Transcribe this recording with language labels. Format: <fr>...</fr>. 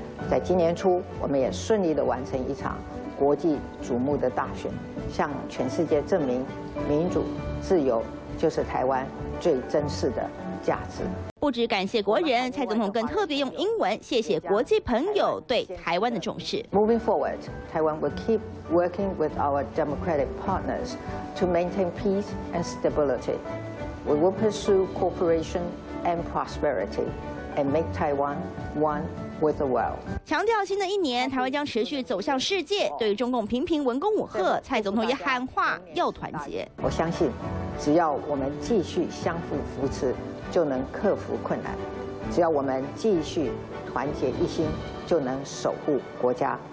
<zh>在今年初，我们也顺利地完成一场国际瞩目的大选，向全世界证明民主自由就是台湾最真实的价值。不只感谢国人，蔡总统更特别用英文谢谢国际朋友对台湾的重视。</zh> <en>Moving forward, Taiwan will keep working with our democratic partners to maintain peace and stability. We will pursue cooperation and prosperity and make Taiwan one.</en> <zh>强调新的一年台湾将持续走向世界，对于中共频频文攻武吓，蔡总统也喊话要团结。我相信只要我们继续相互扶持，就能克服困难，只要我们继续团结一心，就能守护国家。</zh>